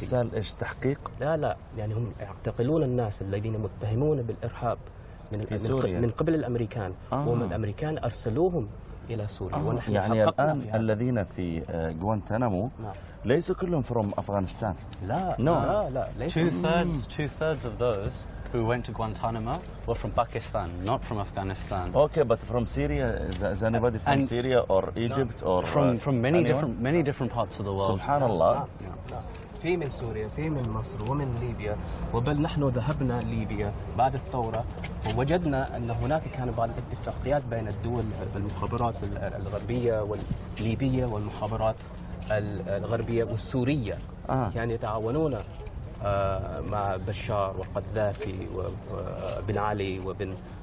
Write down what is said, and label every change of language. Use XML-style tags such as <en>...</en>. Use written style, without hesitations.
<ar>إرسال إيش؟ تحقيق؟ لا لا، يعني هم يعتقلون الناس الذين متهمون بالإرهاب من سوريا من قبل الأمريكان. هم الأمريكان أرسلوهم إلى سوريا. يعني الآن فيها. الذين في غوانتانامو ليسوا كلهم from أفغانستان. لا</ar> <en>no.</en> <ar>لا لا. ليس</ar> <en>two thirds of those who went to Guantanamo were from Pakistan, not from Afghanistan. Okay, but from Syria, is anybody from Syria or Egypt or from many anyone? different parts of the world.</en> <ar>Subhanallah. في من سوريا، في من مصر، ومن ليبيا، وبل نحن ذهبنا ليبيا بعد الثورة ووجدنا أن هناك كان بعض الاتفاقيات بين الدول المخابرات الغربية والليبية والمخابرات الغربية والسورية كانوا يتعاونون مع بشار وقذافي وبن علي وبن</ar>